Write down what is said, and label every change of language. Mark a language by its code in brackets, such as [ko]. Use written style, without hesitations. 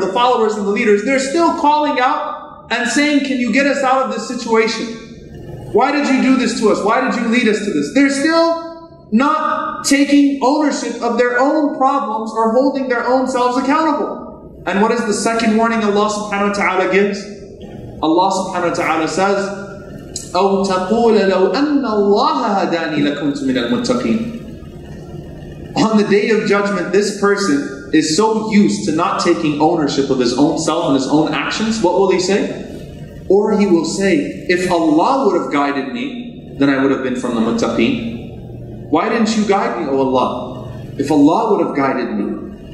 [en] The followers and the leaders, they're still calling out and saying, can you get us out of this situation? Why did you do this to us? Why did you lead us to this? They're still not taking ownership of their own problems or holding their own selves accountable. And what is the second warning Allah subhanahu wa ta'ala gives? Allah subhanahu wa ta'ala says, [ar] أَوْ تَقُولَ لَوْ أَنَّ اللَّهَ هَدَانِي لَكُنْتُ مِنَ الْمُتَّقِينَ. [en] On the day of judgment, this person is so used to not taking ownership of his own self and his own actions. What will he say? Or he will say, if Allah would have guided me, then I would have been from the muttaqeen. Why didn't you guide me, O Allah? If Allah would have guided me.